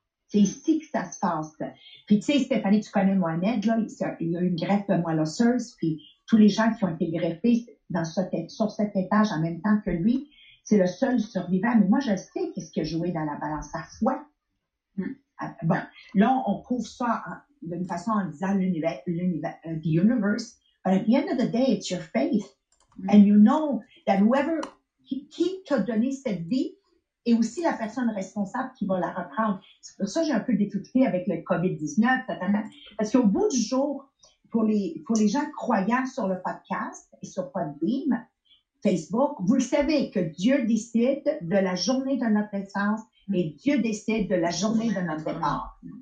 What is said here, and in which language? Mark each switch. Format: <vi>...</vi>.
<fr>C'est ici que ça se passe. Puis tu sais, Stéphanie, tu connais Mohamed, là, il a une greffe de moelle osseuse, puis tous les gens qui ont été greffés sur cet étage en même temps que lui, c'est le seul survivant. Mais moi, je sais qu'est-ce qui a joué dans la balance. Sa foi. Bon, là, on couvre ça d'une façon en disant l'univers,</fr> <en>the universe. But at the end of the day, it's your faith. Mm. And you know that whoever,</en> <fr>qui t'a donné cette vie est aussi la personne responsable qui va la reprendre. C'est pour ça que j'ai un peu difficulté avec le COVID-19. Tatana. Parce qu'au bout du jour, pour les gens croyants sur le podcast et sur Podbeam, Facebook, vous le savez que Dieu décide de la journée de notre naissance et Dieu décide de la journée de notre départ.</fr>